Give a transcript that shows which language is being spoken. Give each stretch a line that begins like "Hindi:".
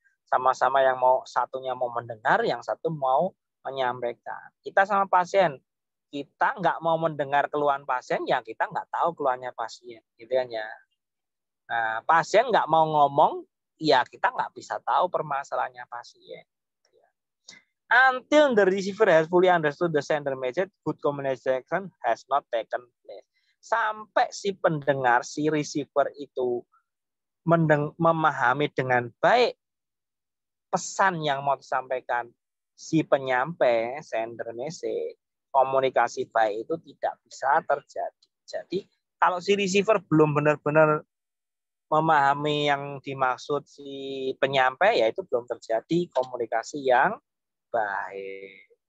Indonesian: Sama-sama yang mau, satunya mau mendengar, yang satu mau menyampaikan. Kita sama pasien, kita nggak mau mendengar keluhan pasien, ya kita nggak tahu keluhannya pasien. Gitu kan ya. Nah, pasien nggak mau ngomong, ya kita nggak bisa tahu permasalahannya pasien.
English: Until the receiver has fully understood the sender message, good communication has not taken place.
Indonesian: Sampai si pendengar, si receiver itu memahami dengan baik pesan yang mau disampaikan si penyampai, sender message, komunikasi baik itu tidak bisa terjadi. Jadi, kalau si receiver belum benar-benar memahami yang dimaksud si penyampai, ya itu belum terjadi komunikasi yang baik.